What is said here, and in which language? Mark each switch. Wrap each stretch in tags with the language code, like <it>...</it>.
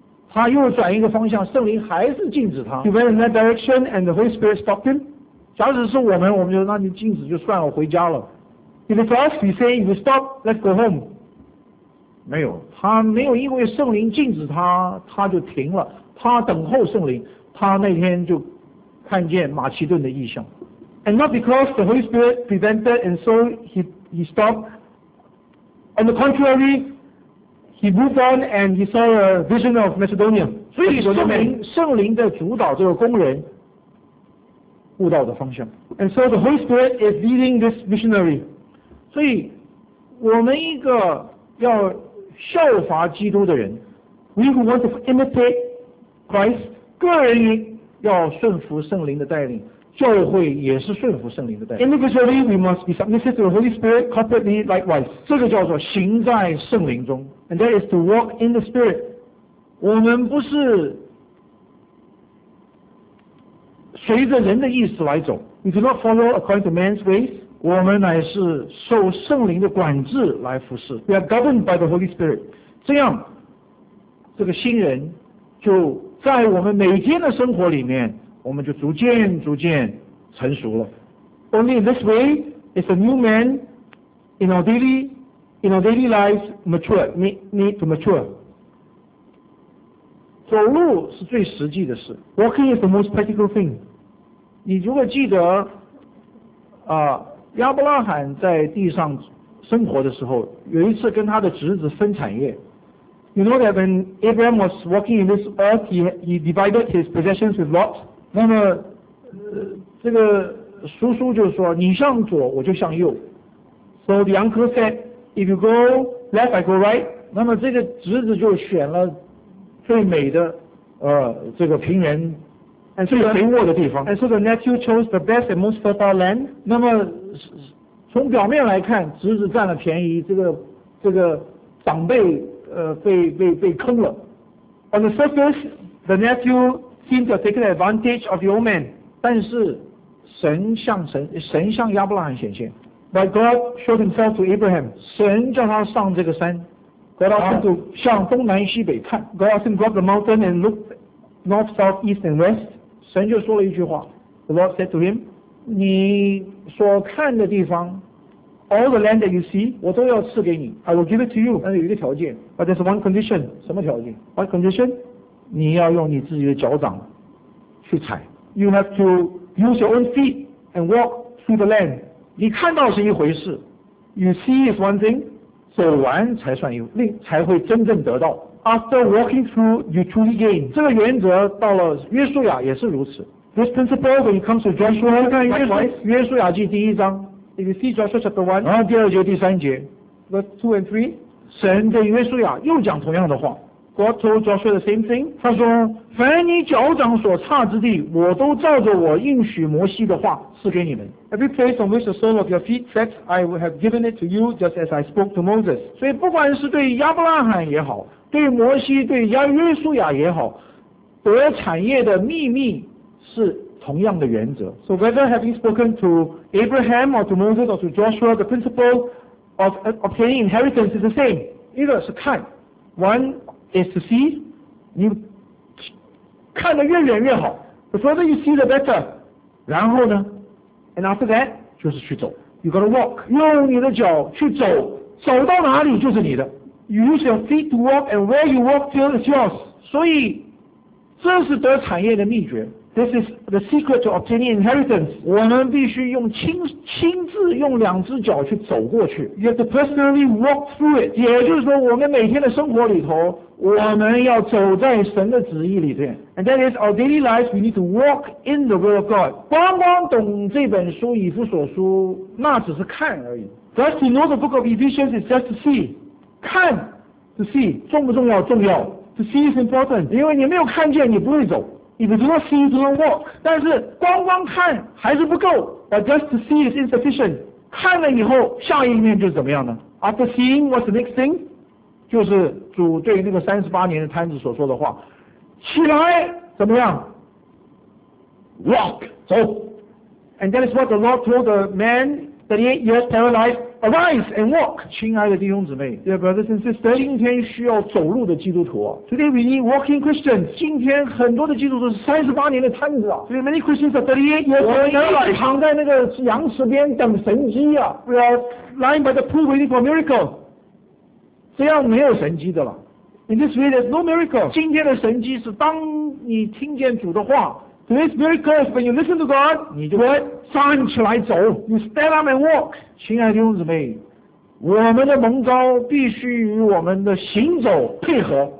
<zh>他又转一个方向，圣灵还是禁止他。</zh> <en>He went in that direction and the Holy Spirit stopped him.</en> <zh>假使是我们，我们就那你禁止就算了，回家了。</zh> <en>If it's us, we say, if you stop, let's go home.</en> <zh>没有，他没有因为圣灵禁止他，他就停了。他等候圣灵，他那天就看见马其顿的异象。</zh> <en>And not because the Holy Spirit prevented, and so he stopped. On the contrary, he moved on and he saw a vision of Macedonia.</en> <zh>所以圣灵的主导这个工人悟道的方向。</zh> <en>And so the Holy Spirit is leading this missionary.</en> <zh>所以我们一个要效法基督的人</zh> <en>We who want to imitate Christ</en> <zh>个人要顺服圣灵的带领教会也是顺服圣灵的带领</zh> <en>Individually we must be submissive to the Holy Spirit corporately likewise</en> <zh>这个叫做行在圣灵中</zh> <en>And that is to walk in the Spirit</en> <zh>我们不是随着人的意思来走</zh> <en>We do not follow according to man's ways</en> <zh>我们乃是受圣灵的管制来服侍</zh> <en>We are governed by the Holy Spirit</en> <zh>这样这个新人就在我们每天的生活里面我们就逐渐逐渐成熟了</zh> <en>Only in this way is a new man in our daily lives mature need to mature</en> <zh>走路是最实际的事</zh> <en>Walking is the most practical thing</en> <zh>你如果记得亚伯拉罕在地上生活的时候有一次跟他的侄子分产业</zh> <en>You know that when Abraham was walking in this earth he divided his possessions with Lot</en> <zh>那么这个叔叔就说你向左我就向右</zh> <en>So the uncle said if you go left I go right</en> <zh>那么这个侄子就选了最美的这个平原</zh> <en>And so,</en> <zh>最肥沃的地方</zh> <en>and so the nephew chose the best and most fertile land</en> <zh>那么从表面来看侄子占了便宜这个长辈被坑了</zh> <en>On the surface the nephew seemed to have taken advantage of the old man</en> <zh>但是神向亚伯拉罕显现</zh> <en>But God showed himself to Abraham</en> <zh>神叫他上这个山</zh> <en>God asked him to</en> <zh>向东南西北看</zh> <en>God asked him to go up the mountain and look north, south, east and west</en> <zh>神就说了一句话</zh> <en>The Lord said to him</en> <zh>你所看的地方</zh> <en>All the land that you see</en> <zh>我都要赐给你</zh> <en>I will give it to you</en> <zh>但是有一个条件</zh> <en>But there's one condition</en> <zh>什么条件</zh> <en>What condition</en> <zh>你要用你自己的脚掌去踩</zh> <en>You have to use your own feet and walk through the land</en> <zh>你看到是一回事</zh> <en>You see is one thing</en> <zh>走完才算有另才会真正得到</zh> <en>After walking through, you truly gain.</en> <zh>这个原则到了约书亚也是如此。</zh> <en>This principle when it comes to Joshua,</en> <zh>看约书亚记第一章。</zh> <en>If you see Joshua chapter 1,</en> <zh>然后第二节第三节。</zh> <en>Verse 2 and 3.</en> <zh>神对约书亚又讲同样的话。</zh> <en>God told Joshua the same thing.</en> <zh>他说，凡你脚掌所踏之地，我都照着我应许摩西的话赐给你们。</zh> <en>Every place on which the sole of your feet treads, I will have given it to you just as I spoke to Moses.</en> <zh>所以不管是对亚伯拉罕也好对摩西对约书亚也好得产业的秘密是同样的原则</zh> <en>So whether having spoken to Abraham or to Moses or to Joshua the principle of obtaining inheritance is the same</en> <zh>一个是看</zh> <en>One is to see</en> <zh>你看得越远越好</zh> <en>The further you see the better</en> <zh>然后呢</zh> <en>And after that</en> <zh>就是去走</zh> <en>You gotta walk</en> <zh>用你的脚去走走到哪里就是你的</zh> <en>You use your feet to walk, and where you walk till is yours.</en> <zh>所以，这是得产业的秘诀。</zh> <en>This is the secret to obtaining inheritance.</en> <zh>我们必须用亲自用两只脚去走过去。</zh> <en>You have to personally walk through it.</en> <zh>也就是说，我们每天的生活里头，我们要走在神的旨意里边。</zh> <en>And that is our daily lives. We need to walk in the will of God.</en> <zh>光光懂这本书《以弗所书》，那只是看而已。</zh> <en>Just to know the book of Ephesians is just to see.</en> <zh>看</zh> <en>to see</en> <zh>重不重要重要</zh> <en>to see is important</en> <zh>因为你没有看见你不会走</zh> <en>if you do not see you do not walk</en> <zh>但是光看还是不够</zh> <en>but just to see is insufficient</en> <zh>看了以后下一面就是怎么样呢</zh> <en>After seeing, what's the next thing?</en> <zh>就是主对那个三十八年的摊子所说的话，起来，怎么样？</zh> <en>Walk，</en> <zh>走。</zh> <en>And that is what the Lord told the man 38 years paralyzed. Arise and walk.</en> <zh>亲爱的弟兄姊妹</zh> <en>，Dear brothers and sisters，</en> <zh>今天需要走路的基督徒</zh> <en>，Today we need walking Christians.</en> <zh>今天很多的基督徒是三十八年的摊子啊</zh> <en>，Today many Christians are 38 years paralyzed，</en> <zh>躺在那个羊池边等神迹啊</zh> <en>，We are lying by the pool waiting for a miracle。</en> <zh>这样没有神迹的了</zh> <en>，In this way there's no miracle。</en> <zh>今天的神迹是当你听见主的话。</zh> <en>This miracle is when you listen to God.</en> <zh>你就站起来走。</zh> <en>You stand up and walk.</en> <zh>亲爱的弟兄姊妹，我们的蒙召必须与我们的行走配合。</zh>